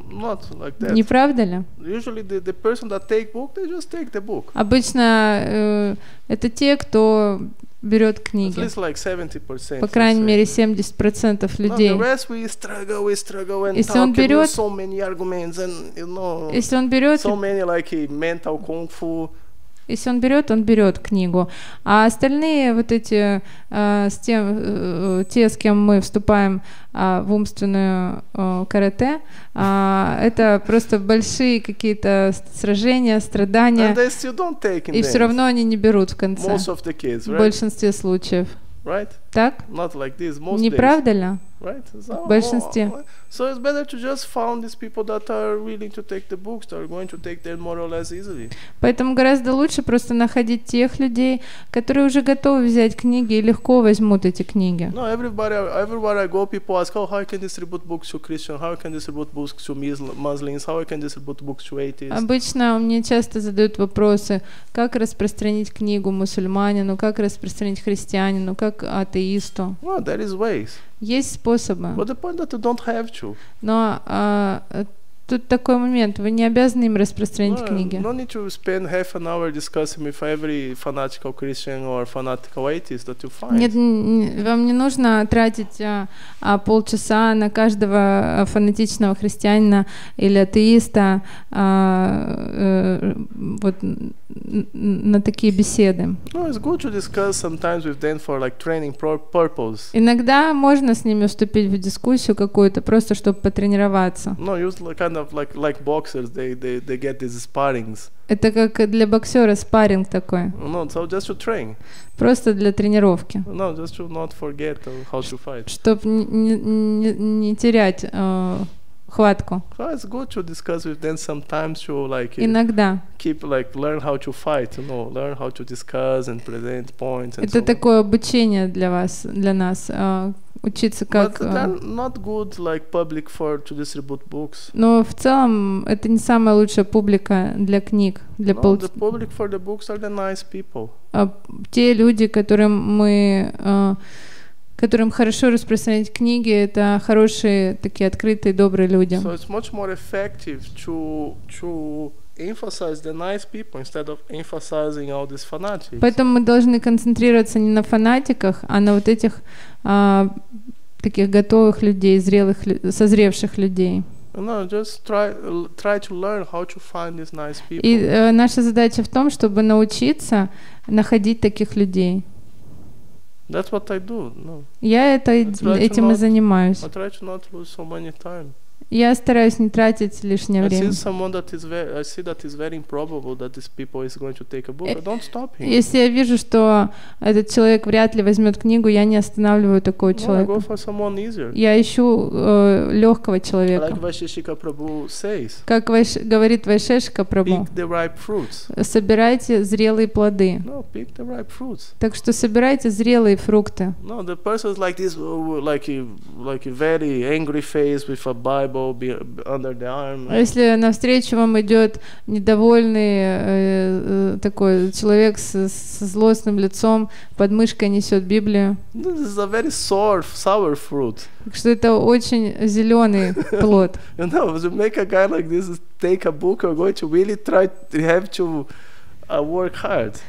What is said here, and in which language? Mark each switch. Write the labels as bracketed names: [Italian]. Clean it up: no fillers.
[English] Not like that. [Russian] Не правда ли? [English] Usually the person that take book, they just take the book. [Russian] Обычно это те, кто берет книги. [English] At least like 70%, [Russian] по крайней мере 70% людей. [English] No, the rest we struggle and [Russian] если [English] talk about so many arguments and you know, [Russian] если он берет, [English] so many like mental kung fu. [Russian] Если он берет, он берет книгу. А остальные вот эти с тем, те, с кем мы вступаем в умственную карате, это просто большие какие-то сражения, страдания. [English] And they still don't take [Russian] и все равно они не берут в конце. [English] Most of the kids, right? [Russian] В большинстве случаев. [English] Right? [Russian] Так? [English] Not like this, most [Russian] не [English] days. [Russian] Правда ли? [English] Right? So, [Russian] в большинстве. [English] So it's better to just find these people that are willing to take the books, that are going to take them more or less easily. [Russian] Поэтому гораздо лучше просто находить тех людей, которые уже готовы взять книги и легко возьмут эти книги. [English] No, everywhere I go, people ask, oh, how I can distribute books to Christians, how I can distribute books to Muslims, how I can distribute books to atheists. [Russian] Обычно мне часто задают вопросы, как распространить книгу мусульманину, как распространить христианину, как атеисту. [English] No, there is ways. [Russian] Есть способы. [English] But the point that you don't have to. [Russian] Но тут такой момент, вы не обязаны им распространить [English] no, [Russian] книги. [English] No need to spend half an hour discussing with every fanatical Christian or fanatical atheist that you find. [Russian] Нет, вам не нужно тратить полчаса на каждого фанатичного христианина или атеиста, вот [Ukrainian] на такі бесіди. [English] Ну, it's good to discuss sometimes with them for like training purpose. [Ukrainian] Іноді можна з ними вступити в дискусію [Russian] какую-то, [Ukrainian] просто щоб потренуватися. [English] No, usually kind of like boxers, they get these sparrings. [Russian] Это как для боксера спарринг такой. [English] No, so just to train. [Russian] Просто для тренировки. [English] No, just to not forget how to fight. [Russian] Чтоб не терять хватку. [English] So it's good to discuss with them sometimes to like [Russian] иногда. [English] Keep like learn how to fight, you know, learn how to discuss and present points and [Russian] это [English] so [Russian] такое обучение для вас, для нас, учиться как. [English] But they're not good like public for to distribute books. [Russian] Но в целом это не самая лучшая публика для книг, для [English] The public for the books are the nice people. [Russian] Те люди, которым мы которым хорошо распространять книги, это хорошие, такие открытые, добрые люди. [English] So it's much more effective to emphasize the nice people instead of emphasizing all these fanatics. [Russian] Поэтому мы должны концентрироваться не на фанатиках, а на вот этих таких готовых людей, зрелых, созревших людей. [English] No, just try to learn how to find these nice people. [Russian] И наша задача в том, чтобы научиться находить таких людей. [English] That's what I do. No. [Russian] Я это этим и занимаюсь. [English] I try to not lose so many time. [Russian] Я стараюсь не тратить лишнее [English] I [Russian] время. [English] See someone that is I see that is very improbable that these people is going to take a book. I don't stop him. [Russian] Если я вижу, что этот человек вряд ли возьмет книгу, я не останавливаю такого человека. [English] No, I go for someone easier. [Russian] Я ищу легкого человека. [English] Like Vaisheshika Prabhu says. [Russian] Как говорит Вайшешика Прабу. [English] Pick the ripe fruits. [Russian] Собирайте зрелые плоды. [English] No, pick the ripe fruits. [Russian] Так что собирайте зрелые фрукты. [English] No, the person is like this, like a very angry face with a Bible. Under the arm. [Russian] А если навстречу вам идет недовольный такой человек со злостным лицом, под мышкой несет Библию? [English] This is a very sour fruit. [Russian] Что это очень зеленый плод? [English] You know, if you make a guy like this take a book, you're going to really try to have to work hard.